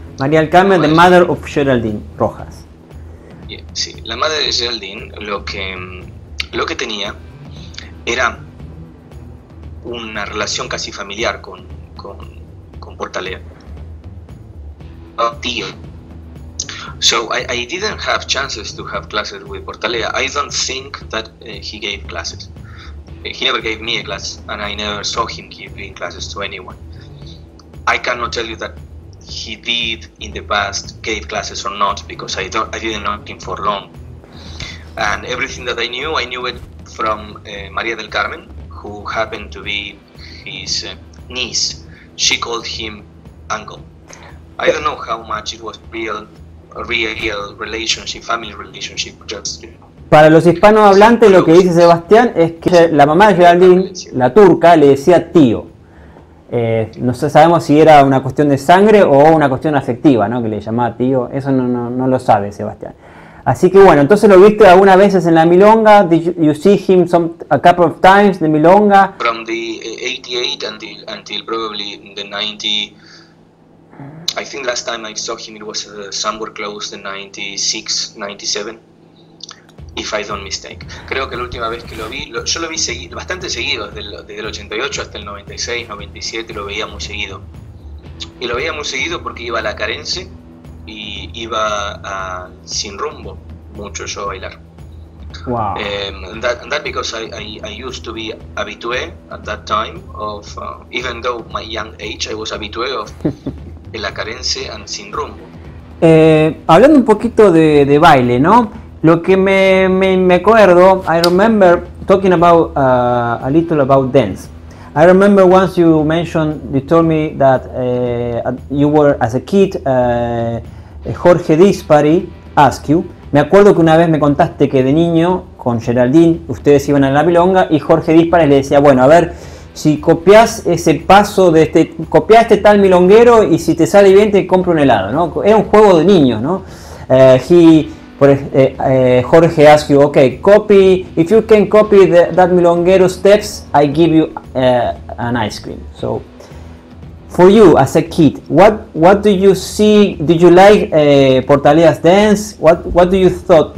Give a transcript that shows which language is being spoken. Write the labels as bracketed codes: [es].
[en] María del Carmen, the mother of Geraldine Rojas. [es] Yeah, sí, la madre de Geraldine lo que tenía era una relación casi familiar con Portalea. Tío. [en] So I didn't have chances to have classes with Portalea. I don't think that he gave classes. He never gave me a class, and I never saw him giving classes to anyone. I cannot tell you that he did in the past gave classes or not, because I didn't know him for long. And everything that I knew it from María del Carmen, who happened to be his niece. She called him uncle. I don't know how much it was real relationship, family relationship, just. [es] Para los hispanohablantes, lo que dice Sebastián es que la mamá de Geraldine, la turca, le decía tío. No sabemos si era una cuestión de sangre o una cuestión afectiva, ¿no? Que le llamaba tío. Eso no lo sabe Sebastián. Así que bueno, entonces lo viste algunas veces en la milonga. [en] Did you see him some a couple of times in the milonga? From the 88 until probably the 90. I think last time I saw him it was somewhere close to 96, 97. If I don't mistake. [es] Creo que la última vez que lo vi seguido, bastante seguido, desde el 88 hasta el 96, 97, lo veía muy seguido. Y lo veía muy seguido porque iba a la Carense y iba sin rumbo mucho yo a bailar. [en] Wow. That because I used to be habitué at that time of, even though my young age, I was habitué of la Carense and sin rumbo. [es] Hablando un poquito de baile, ¿no? Lo que me acuerdo, [en] I remember talking about a little about dance. I remember once you told me that you were as a kid, Jorge Dispari asked you. [es] Me acuerdo que una vez me contaste que de niño con Geraldine ustedes iban a la milonga y Jorge Dispari le decía, bueno, a ver, si copias ese paso de este, copia este tal milonguero y si te sale bien te compro un helado, ¿no? Era un juego de niños, ¿no? [en] Jorge asked you, okay, copy, if you can copy that milonguero steps, I give you an ice cream. So, for you as a kid, what do you see? Did you like Portalea's dance? What do you thought?